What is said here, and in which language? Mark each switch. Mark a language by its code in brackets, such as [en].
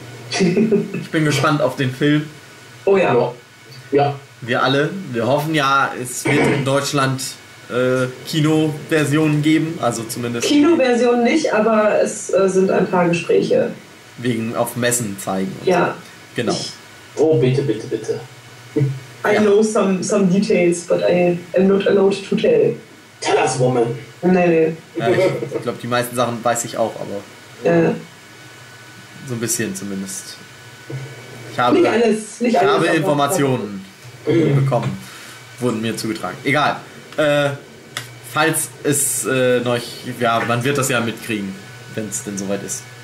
[de] Ich bin gespannt auf den Film. Oh ja. Ja. Wir alle, wir hoffen ja, es wird in Deutschland Kinoversionen geben, also zumindest. Kinoversionen nicht, aber es sind ein paar Gespräche. Wegen auf Messen zeigen. Ja. So. Genau. Oh, bitte, bitte, bitte. [en] I know some details, but I am not allowed to tell. Tell us, woman. [de] Nee. Ja, ich glaube, die meisten Sachen weiß ich auch, aber... Ja. So ein bisschen zumindest. Ich habe Informationen bekommen. Wurden mir zugetragen. Egal. Falls es noch... Ja, man wird das ja mitkriegen, wenn es denn soweit ist.